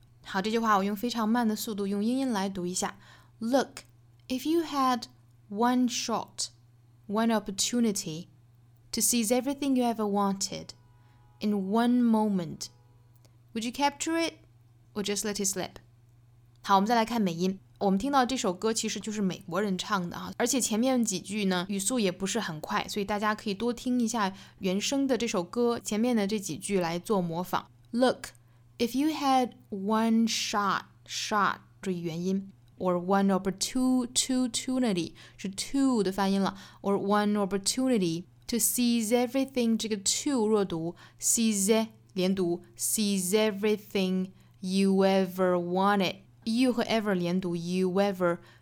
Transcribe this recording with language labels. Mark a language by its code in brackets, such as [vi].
[zh] 好，这句话我用非常慢的速度用英音来读一下。 [en] Look, if you had one shot, one opportunity, to seize everything you ever wanted in one moment. Would you capture it or just let it slip? [zh] 好，我们再来看美音。我们听到这首歌其实就是美国人唱的，而且前面几句呢语速也不是很快，所以大家可以多听一下原声的这首歌前面的这几句来做模仿。 [en] Look, if you had one shot, shot, [zh] 注意元音 [en] or one opportunity, [zh] 是 [en] two [zh] 的发音了 [en] or one opportunity to seize everything, [zh] 这个 [en] two [zh] 弱读 [en] seize, [zh] 连读 [en] seize everything you ever wanted,You [zh] 和 [en] ever 连读 you ever